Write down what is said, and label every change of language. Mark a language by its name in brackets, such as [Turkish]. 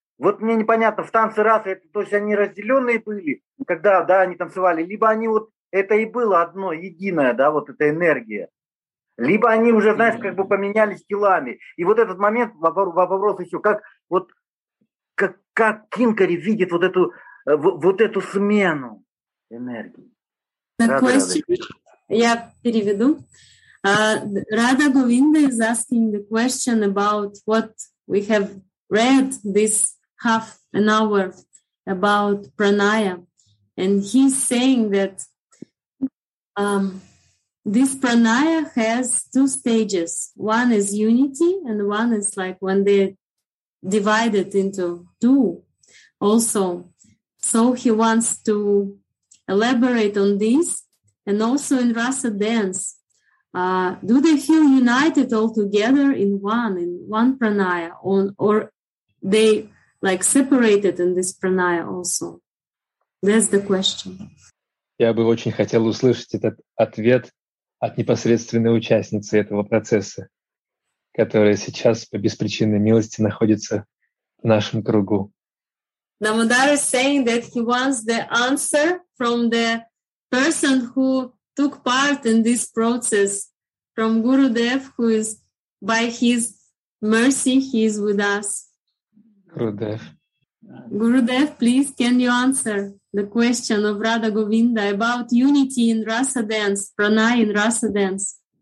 [Russian] Вот мне непонятно, в танце раса, это, то есть они разделенные были, когда, да, они танцевали, либо они вот, это и было одно, единое, да, вот эта энергия, либо они уже, знаешь, как бы поменялись телами. И вот этот момент, вопрос еще, как вот, как Кинкари видит вот эту смену энергии. Я переведу. [English] Radha Govinda is asking the question about what we have read this half an hour about pranaya. And he's saying that this pranaya has two stages. One is unity and one is like when they divided into two also. So he wants to elaborate on this. And also in Rasa dance, do they feel united all together in one pranaya, or they like separated in this pranaya also? That's the question. [Russian] Я бы очень хотел услышать этот ответ от непосредственной участницы этого процесса, которая сейчас по беспричинной милости находится в нашем кругу. [English] Damodar is saying that he wants the answer from the person who took part in this process, from Gurudev, who is by his mercy, he is with us. Gurudev. Gurudev, please, can you answer the question of Radha Govinda about unity in Rasa dance, pranaya in Rasa dance?